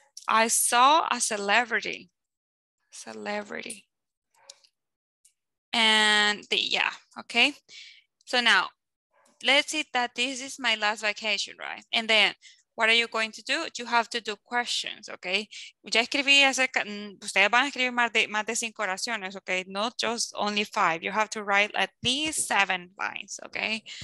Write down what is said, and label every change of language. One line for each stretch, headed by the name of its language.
English: I saw a celebrity, and the, yeah, okay. So now let's say that this is my last vacation, right? And then what are you going to do? You have to do questions, okay?
Spanish: Ya escribí acerca, ustedes van a escribir más de 5 oraciones, okay?
English: Not just only 5. You have to write at least 7 lines, okay?